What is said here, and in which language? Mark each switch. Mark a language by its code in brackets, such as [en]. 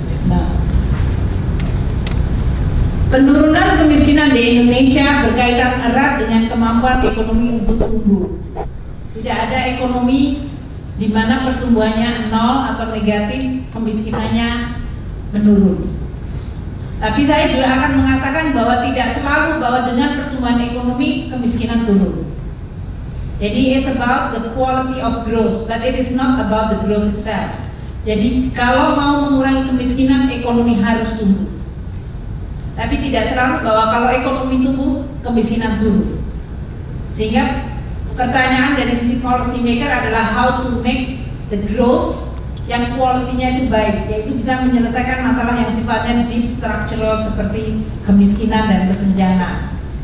[id] Nah, penurunan kemiskinan di Indonesia berkaitan erat dengan kemampuan ekonomi untuk tumbuh. Tidak ada ekonomi di mana pertumbuhannya nol atau negatif, kemiskinannya menurun. Tapi saya juga akan mengatakan bahwa tidak selalu bahwa dengan pertumbuhan ekonomi kemiskinan turun. [en] Jadi it's about the quality of growth, but it is not about the growth itself. [id] Jadi kalau mau mengurangi kemiskinan, ekonomi harus tumbuh. Tapi tidak selalu bahwa kalau ekonomi tumbuh, kemiskinan dulu. Sehingga pertanyaan dari sisi policy maker adalah [en] how to make the growth [id] yang kualitinya itu baik, yaitu bisa menyelesaikan masalah yang sifatnya deep structural seperti kemiskinan dan kesenjangan.